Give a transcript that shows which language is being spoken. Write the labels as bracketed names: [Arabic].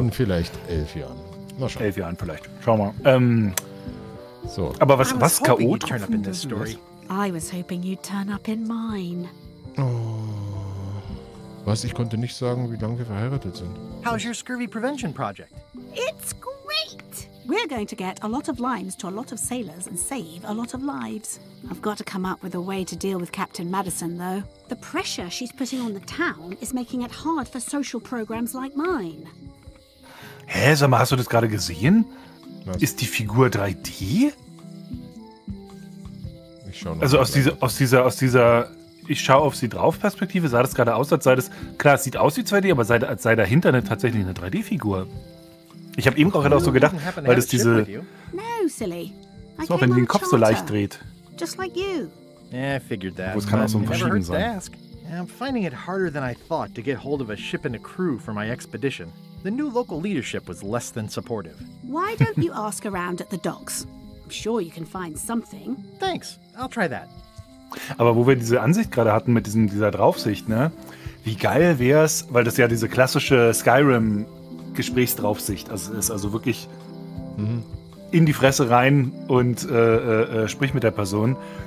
[German] In vielleicht 11 Jahren. Na schon. 11 Jahren vielleicht. Schau mal. So. Aber was chaotisch. [English] Turn up in this story. I was hoping you'd turn up in mine. [German] Oh. Was? Ich konnte nicht sagen, wie lange wir verheiratet sind. [English] How's your scurvy prevention project? It's great. We're going to get a lot of limes to a lot of sailors and save a lot of lives. I've got to come up with a way to deal with Captain Madison, though. The pressure she's putting on the town is making it hard for social programs like mine. [German] Hä, sag mal, hast du das gerade gesehen? Was? Ist die Figur 3D? Ich schau noch. Also aus dieser, ich schaue auf sie drauf Perspektive, sah das gerade aus, als sei das, klar, es sieht aus wie 2D, aber sei dahinter tatsächlich eine 3D-Figur. Ich habe eben auch gerade auch so gedacht, weil das diese, so, wenn die den Kopf so leicht dreht. [English] Just like you. Yeah, I figured that. [German] Wo es kann auch so ein Verschieben sein. [English] I'm finding it harder than I thought to get hold of a ship and a crew for my expedition. The new local leadership was less than supportive. Why don't you ask around at the docks? I'm sure you can find something. Thanks, I'll try that. [German] Aber wo wir diese Ansicht gerade hatten mit dieser Draufsicht, ne? wie geil wär's, weil das ja diese klassische Skyrim-Gesprächsdraufsicht ist, also wirklich in die Fresse rein und sprich mit der Person.